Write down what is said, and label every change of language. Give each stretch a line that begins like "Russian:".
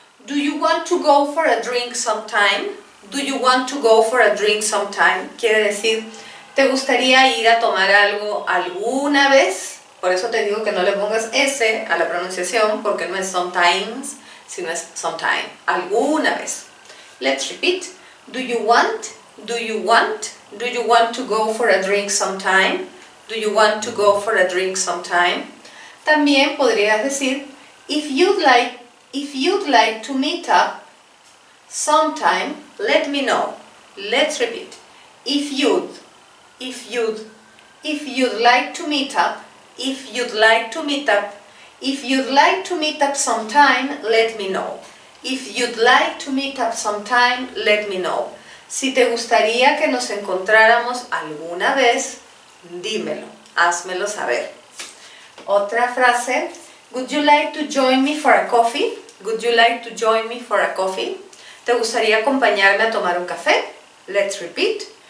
English: Do you want to go for a drink sometime? Do you want to go for a drink sometime?
Spanish: Quiere decir, ¿te gustaría ir a tomar algo alguna vez? Por eso te digo que no le pongas S a la pronunciación, porque no es sometimes, sino es sometime. Alguna vez.
English: Let's repeat. Do you want? Do you want? Do you want to go for a drink sometime? Do you want to go for a drink sometime?
Spanish: También podrías decir,
English: if you'd like to meet up sometime, let me know. Let's repeat. If you'd. If you'd like to meet up, if you'd like to meet up, If you'd like to meet up sometime, let me know. If you'd like to meet up sometime, let me know.
Spanish: Si te gustaría que nos encontráramos alguna vez, dímelo, házmelo saber. Otra frase,
English: would you like to join me for a coffee? Would you like to join me for a coffee?
Spanish: ¿Te gustaría acompañarme a tomar un café?
English: Let's repeat.